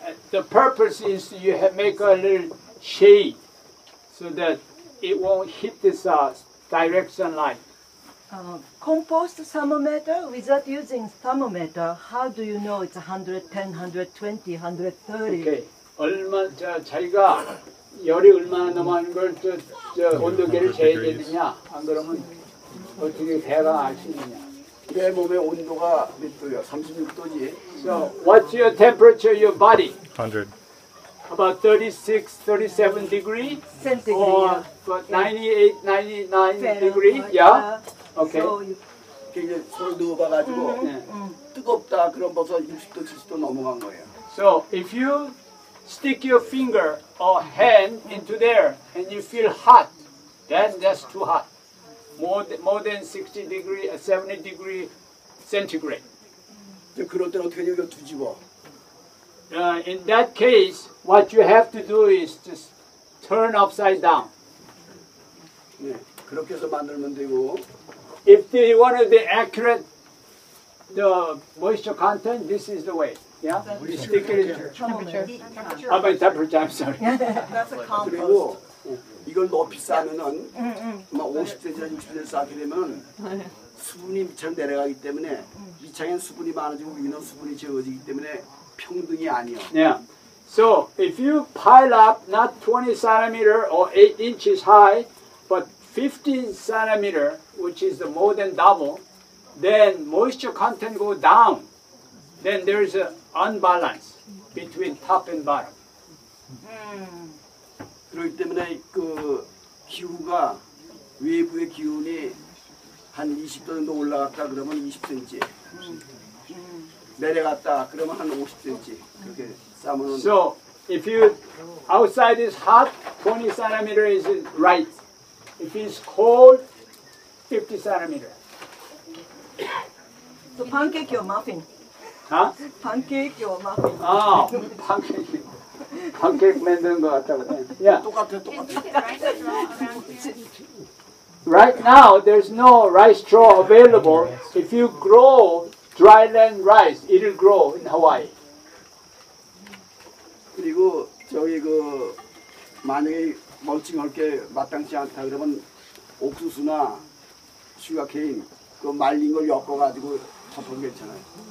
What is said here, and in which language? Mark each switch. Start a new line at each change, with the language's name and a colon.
English: The purpose is you have make a little shade so that it won't hit this direct sunlight. Compost thermometer without using thermometer, how do you know it's 110, 120, 130? Okay.
Korean: 얼마 자기가 열이 얼마나 남아있는 걸 온도계를 재야 되느냐? 안 그러면 어떻게 배가 알 수 있느냐? 내 몸의 온도가 몇 도야? 36도지.
English: So, what's your temperature of your body? 100. About 36, 37 degrees? Centigrade. Or 98, 99 degrees? Yeah? Okay. So, you can't do it. You can't do it. You can't do it. You can't do it. You can't do it. So, if you stick your finger or hand into there and you feel hot, then that's too hot. More than 60 degrees, 70 degrees centigrade.
Korean: 그럴 때 어떻게 여기 뒤집어?
English: In that case, what you have to do is just turn upside down.
Korean: 네, 그렇게 해서 만들면 되고.
English: If they wanted the accurate the moisture content, this is the way. Yeah? We stick it in temperature. How about temperature? I'm sorry. That's a compost. 그리고
Korean: 이걸 높이 쌓으면은 막 50cm, 60cm 쌓게 되면 수분이 밑창 내려가기 때문에 밑창엔 수분이 많아지고 위는 수분이 적어지기 때문에 평등이 아니요.
English: Yeah. So if you pile up not 20 centimeter or 8 inches high, but 15 centimeter, which is the more than double, then moisture content go down. Then there is an unbalance between top and bottom.
Korean: 그렇기 때문에 그 기후가 외부의 기온이 한 20도 정도 올라갔다 그러면 20cm, 내려갔다 그러면 한 50cm 그렇게 쌓으면.
English: So if you outside is hot, 20 centimeter is right. If it's cold, 50 centimeter. So pancake or muffin? Huh? Pancake or muffin? Oh, pancake.
Korean: 팬케이크 만드는 것 같다고.
English: Yeah.
Korean: 똑같아.
English: Right now, there's no rice straw available. If you grow dry land rice, it'll grow in Hawaii.
Korean: 그리고 저희 그 만약에 멀칭할 게 마땅치 않다 그러면 옥수수나 슈가케인 그 말린 걸 엮어 가지고 덮으면 괜찮아요.